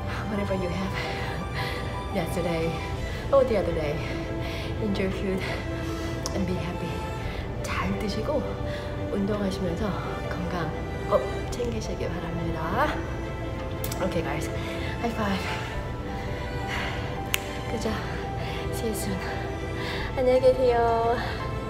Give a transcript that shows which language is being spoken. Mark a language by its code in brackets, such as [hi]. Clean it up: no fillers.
[en] Whatever you have yesterday or the other day, enjoy food and be happy. [ko] 잘 드시고 운동하시면서 건강 꼭 챙기시길 바랍니다. [en] Okay, guys, high five. [ko] 그죠? [en] See you soon. [ko] 안녕히 계세요.